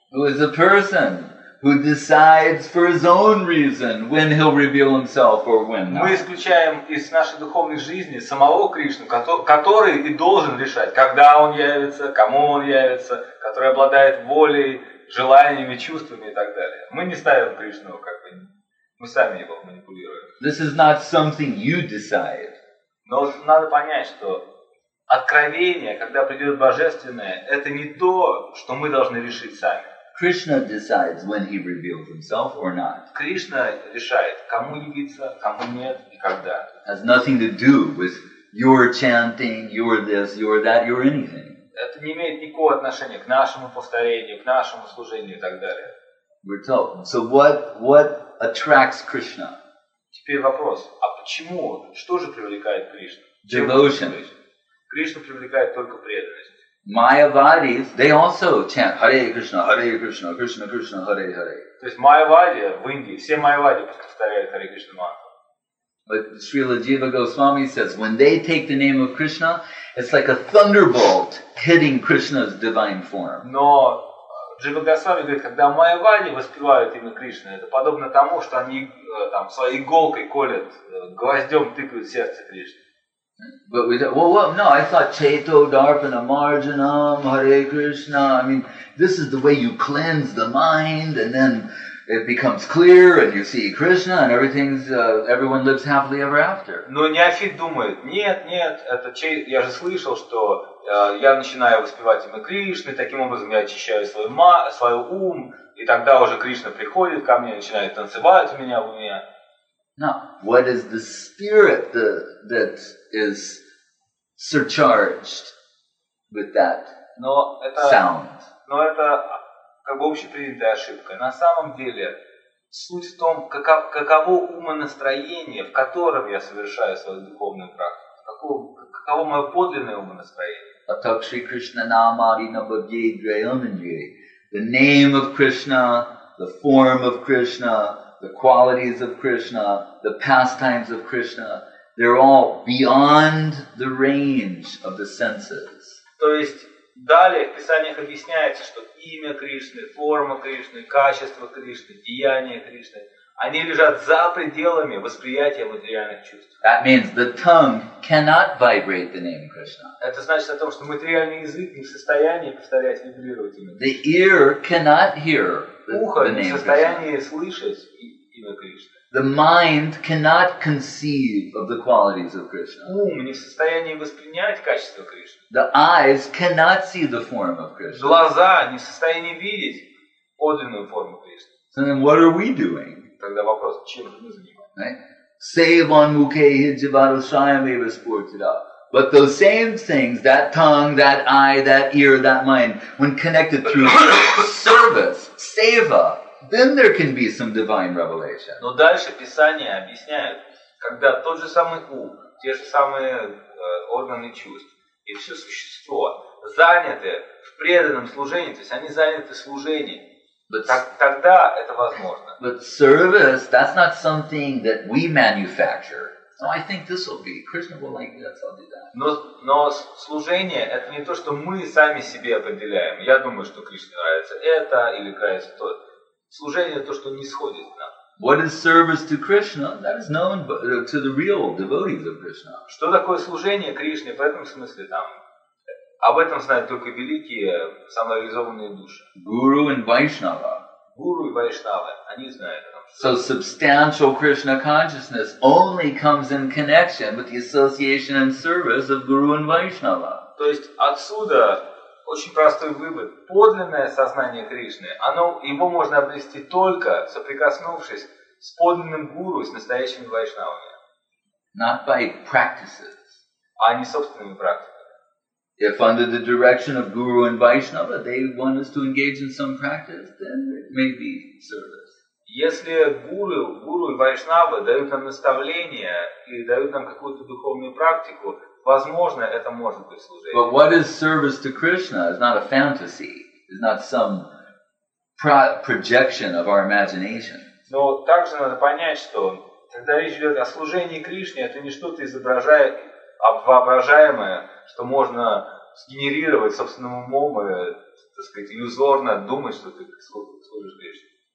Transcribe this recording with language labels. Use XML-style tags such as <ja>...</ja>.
<en>Who is a person who decides for his own reason when he'll reveal himself or when not?</en> <ru>Мы исключаем из нашей духовной жизни самого Кришну, который и должен решать, когда он явится, кому он явится, который обладает волей, желаниями, чувствами и так далее. Мы не ставим Кришну, как бы, мы сами его манипулируем.</ru> <en>This is not something you decide.</en> <ru>Но надо понять, что откровение, когда придет божественное, это не то, что мы должны решить сами.</ru> <en>Krishna decides when he reveals himself or not.</en> <ru>Кришна решает, кому явиться, кому нет и когда.</ru> <en>Has nothing to do with your chanting, your this, your that, your anything.</en> <ru>Это не имеет никакого отношения к нашему повторению, к нашему служению и так далее.</ru> <en>We're told. So what attracts Krishna?</en> <ru>Теперь вопрос, а почему, что же привлекает Кришну?</ru> <en>Devotion.</en> <ru>Кришну привлекает только преданность.</ru> <en>Mayavadis, they also chant Hare Krishna, Hare Krishna, Krishna Krishna, Hare Hare.</en> <ru>То есть Майявади в Индии, все Майявади повторяют Hare Krishna мантру.</ru> <en>But Srila Jiva Goswami says, when they take the name of Krishna, it's like a thunderbolt hitting Krishna's divine form.</en> <ru>Но Джива Госвами говорит, когда Майявади воспевают имя Кришны, это подобно тому, что они там своей иголкой колят, гвоздем тыкают сердце Кришны.</ru> <en>But we thought, no, I thought</en> <sa>Chaito Darpana Marjanam</sa> <en>Hare Krishna. I mean, this is the way you cleanse the mind and then it becomes clear and you see Krishna and everyone lives happily ever after.</en> <ru>Но неофит думает, нет, это я же слышал, что я начинаю воспевать имя Кришны, таким образом я очищаю свой ум, и тогда уже Кришна приходит ко мне, начинает танцевать у меня в уме.</ru> <en>Now, what is the spirit that is surcharged with that sound?</en> <ru>Но это как бы общепринятая ошибка. На самом деле, суть в том, каково умонастроение, в котором я совершаю свою духовную практику. Каково мое подлинное умонастроение?</ru> <sa>Атак Шри Кришна Намади Набабье Драйонанджи.</sa> <en>The name of Krishna, the form of Krishna, the qualities of Krishna, the pastimes of Krishna, they're all beyond the range of the senses.</en> <ru>То есть далее в писаниях объясняется, что имя Кришны, форма Кришны, качество Кришны, деяния Кришны, Они лежат за пределами восприятия материальных чувств.</ru> <en>That means the tongue cannot vibrate the name Krishna.</en> <ru>Это значит о том, что материальный язык не в состоянии повторять, вибрировать имя.</ru> <en>The ear cannot hear the name</en> <ru>Krishna. Ухо не в состоянии слышать имя Кришны.</ru> <en>The mind cannot conceive of the qualities of Krishna.</en> <ru>Ум не в состоянии воспринять качество Кришны.</ru> <en>The eyes cannot see the form of Krishna.</en> <ru>Глаза не в состоянии видеть подлинную форму Кришны.</ru> <en>So then what are we doing?</en> <ru>Тогда вопрос, чем же мы занимаемся?</ru> <sa>Save on mukhe jivaro shayameva spurtida.</sa> <en>But those same things, that tongue, that eye, that ear, that mind, when connected through service, seva, then there can be some divine revelation.</en> <ru>Но дальше Писание объясняет, когда тот же самый ум, те же самые органы чувств и все существо заняты в преданном служении, то есть они заняты служением, тогда это возможно.</ru> <en>But service, that's not something that we manufacture. So I think this will be. Krishna will like that, so I'll do that.</en> <ru>Но служение — это не то, что мы сами себе определяем. Я думаю, что Кришне нравится это или нравится то. Служение — то, что нисходит к нам.</ru> <en>What is service to Krishna? That is known to the real devotees of Krishna.</en> <ru>Что такое служение Кришне? В этом смысле там... Об этом знают только великие самореализованные души.</ru> <en>Guru and Vaishnava.</en> <ru>Guru и Vaishnava, они знают о том, что...</ru> <en>So substantial Krishna consciousness only comes in connection with the association and service of Guru and Vaishnava.</en> <ru>То есть отсюда очень простой вывод. Подлинное сознание Кришны, оно, его можно обрести только соприкоснувшись с подлинным Гуру, с настоящими Вайшнавами.</ru> <en>Not by practices.</en> <ru>А не собственными практиками.</ru> <en>If under the direction of Guru and Vaishnava they want us to engage in some practice, then it may be service.</en> <ru>Если гуру и вайшнавы дают нам наставление или дают нам какую-то духовную практику, возможно, это может быть служение.</ru> <en>But what is service to Krishna is not a fantasy, is not some projection of our imagination.</en> <ru>Но также надо понять, что когда речь идет о служении Кришне, это не что-то воображаемое, что можно сгенерировать собственным умом и, так сказать, иллюзорно думать, что ты служишь Кришне.</ru>